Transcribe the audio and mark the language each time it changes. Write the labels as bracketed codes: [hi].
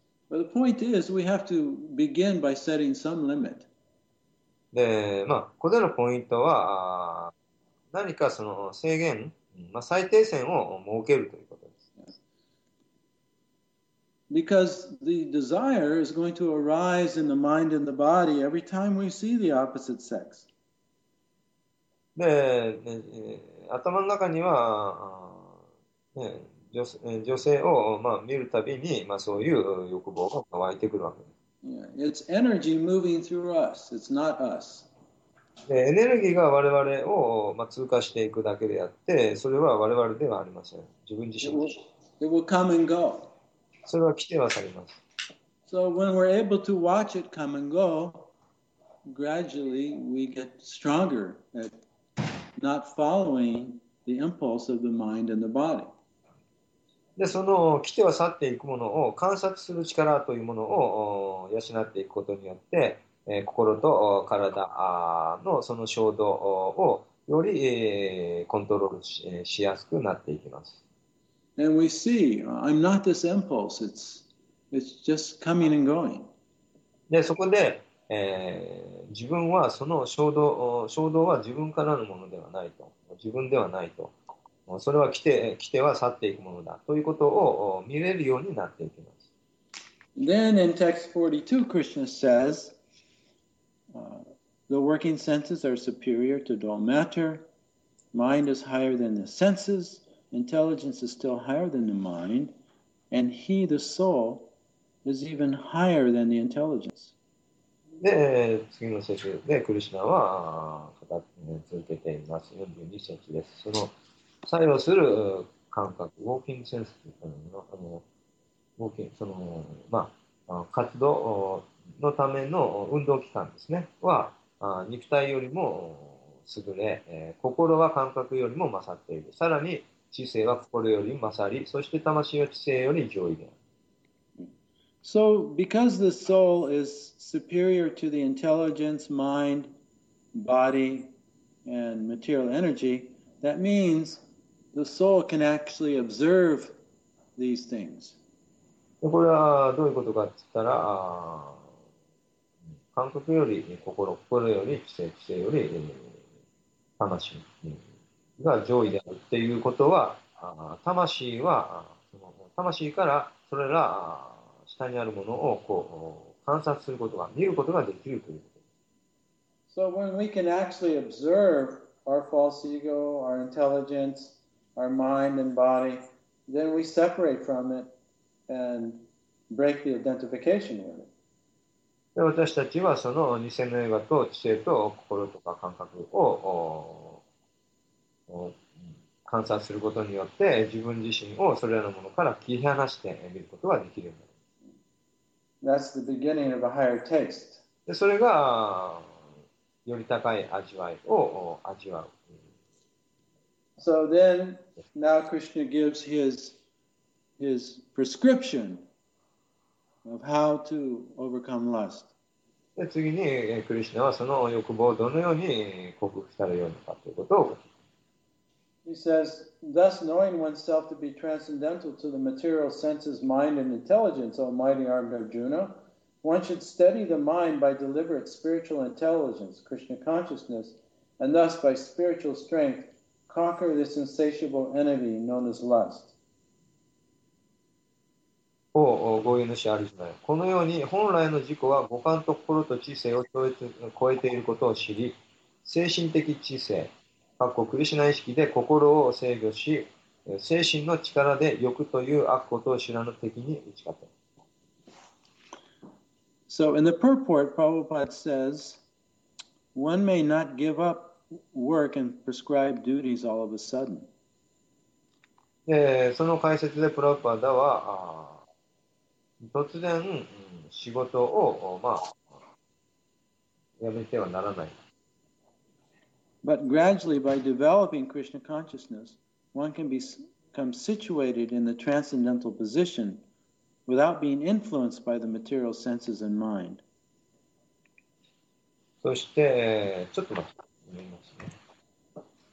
[en] But the point is, we have to begin by setting some limit. [ja] で、まあ、ここでのポイントは、何かその制限、まあ、最低線を設けるということです。 [en] Because the desire is going to arise in the mind and the body every time we see the opposite sex. [ja] で、頭の中には、ね、女性を、まあ、見るたびに、まあ、そういう欲望が湧いてくるわけです。 [en] Yeah. It's energy moving through us. It's not us. [ja] で、エネルギーが我々を、まあ、通過していくだけであって、それは我々ではありません。自分自身です。 [en] It will come and go. [ja] それは来てはされます。 [en] So when we're able to watch it come and go, gradually we get stronger at not following the impulse of the mind and the body. [ja] で、その来ては去っていくものを観察する力というものを養っていくことによって、心と体のその衝動をよりコントロールしやすくなっていきます。 [en] And we see, I'm not this impulse. It's just coming and going. [ja] で、そこで、自分はその衝動は自分からのものではないと。自分ではないと。それは来ては去っていくものだということを見れるようになっていきます。 [en] Then in text 42, Krishna says, the working senses are superior to dull matter. Mind is higher than the senses. Intelligence is still higher than the mind, and he, the soul, is even higher than the intelligence. [ja] で、次の節で、クリシナは続けています。 42節です。その作用する感覚、ウォーキングセンスというか、活動のための運動機関ですね、は肉体よりも優れ、心は感覚よりも勝っている。さらに知性は心より勝り、そして魂は知性より上位である。 [en] So, because the soul is superior to the intelligence, mind, body, and material energy, that means the soul can actually observe these things. [ja] これはどういうことかって言ったら、感覚より心、心より知性より魂。が上位であるっていうことは、魂からそれら下にあるものをこう観察することが、見ることができるということ。 [en] So when we can actually observe our false ego, our intelligence, our mind and body, then we separate from it and break the identification with it. [ja] で、私たちはその偽のエゴと知性と心とか感覚を観察することによって自分自身をそれらのものから切り離してみることができるんだ。 [en] That's the beginning of a higher taste. [ja] で、それがより高い味わいを味わう。 [en] So then, now Krishna gives his prescription of how to overcome lust. [ja] で、次にクリシナはその欲望をどのように克服したらよいのかということを。 [en] He says, thus knowing oneself to be transcendental to the material senses, mind, and intelligence, O mighty Arjuna, one should steady the mind by deliberate spiritual intelligence, Krishna consciousness, and thus by spiritual strength, conquer this insatiable enemy known as lust. [ja] おお、ご縁の主アルジュナよ。このように本来の自己は五感と心と知性を超えていることを知り、精神的知性、クリシナ意識で心を制御し、精神の力で欲という悪ことを知らぬ敵に打ち勝て。 [en] So in the purport, Prabhupada says, one may not give up work and prescribe duties all of a sudden. [ja] で、その解説でプラパダは、突然仕事を、まあ、やめてはならない。 [en] But gradually, by developing Krishna consciousness, one can become situated in the transcendental position without being influenced by the material senses and mind. [ja] そして、ちょっと待って、見ますね。